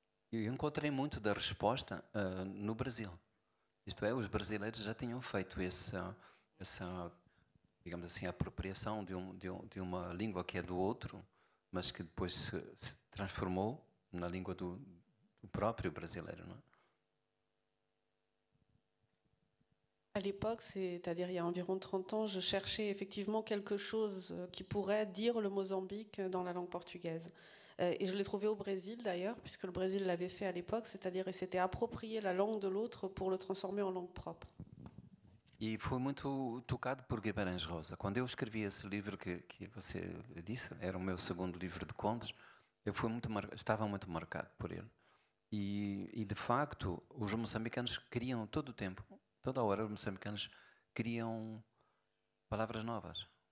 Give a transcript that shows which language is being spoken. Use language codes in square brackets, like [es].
[pt] Eu encontrei muito da resposta no Brasil. Isto é, os brasileiros já tinham feito essa, digamos assim, apropriação de uma língua que é do outro, mas que depois se transformou na língua do próprio brasileiro, não é? [fr] À l'époque, c'est-à-dire il y a environ 30 ans, je cherchais effectivement quelque chose qui pourrait dire le Mozambique dans la langue portugaise. Et je l'ai trouvé au Brésil d'ailleurs, puisque le Brésil l'avait fait à l'époque, c'est-à-dire il s'était approprié la langue de l'autre pour le transformer en langue propre. [pt] Et foi muito tocado por Guimarães Rosa. Quand eu escrevi esse livro que você disse, era o meu segundo livro de contos, estava muito marcado por ele. E de facto, os moçambicanos queriam todo o tempo, toda hora, os moçambicanos criam palavras novas.